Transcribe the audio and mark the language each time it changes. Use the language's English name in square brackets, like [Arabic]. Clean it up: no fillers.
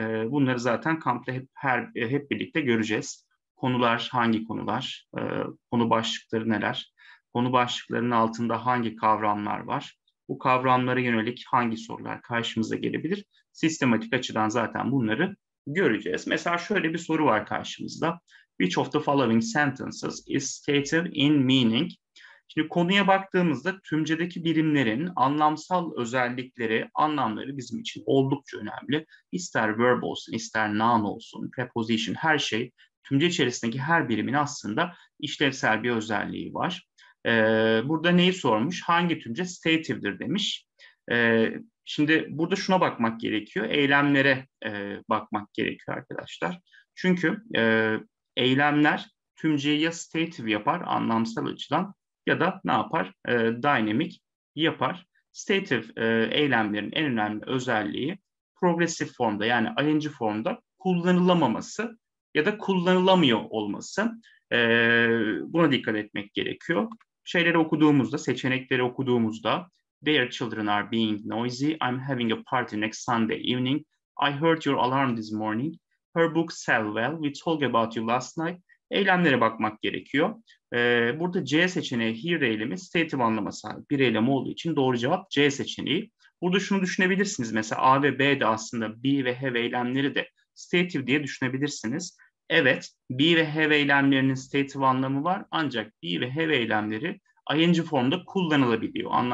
[Turkish] Bunları zaten kampta hep birlikte göreceğiz. Konular hangi konular? Konu başlıkları neler? Konu başlıklarının altında hangi kavramlar var? Bu kavramlara yönelik hangi sorular karşımıza gelebilir? Sistematik açıdan zaten bunları Göreceğiz. Mesela şöyle bir soru var karşımızda. [English] Which of the following sentences is stated in meaning? [Turkish] Şimdi konuya baktığımızda tümcedeki birimlerin anlamsal özellikleri, anlamları bizim için oldukça önemli. İster verb olsun, ister noun olsun, preposition, her şey. Tümce içerisindeki her birimin aslında işlevsel bir özelliği var. Burada neyi sormuş? Hangi tümce stative'dir demiş. Şimdi burada şuna bakmak gerekiyor. Eylemlere bakmak gerekiyor arkadaşlar. Çünkü eylemler tümceyi ya stative yapar anlamsal açıdan ya da ne yapar? Dynamic yapar. Stative eylemlerin en önemli özelliği progressive formda yani ing formda kullanılamaması ya da kullanılamıyor olması. Buna dikkat etmek gerekiyor. Şeyleri okuduğumuzda, seçenekleri okuduğumuzda [English] Their children are being noisy. I'm having a party next Sunday evening. I heard your alarm this morning. Her book sell well. We talked about you last night. [Turkish] Eylemlere bakmak gerekiyor. Burada C seçeneği here eylemi stative anlama sahip bir eylem olduğu için doğru cevap C seçeneği. Burada şunu düşünebilirsiniz. Mesela A ve B de aslında be ve have eylemleri de stative diye düşünebilirsiniz. Evet, be ve have eylemlerinin stative anlamı var. Ancak be ve have eylemleri ing formda kullanılabiliyor.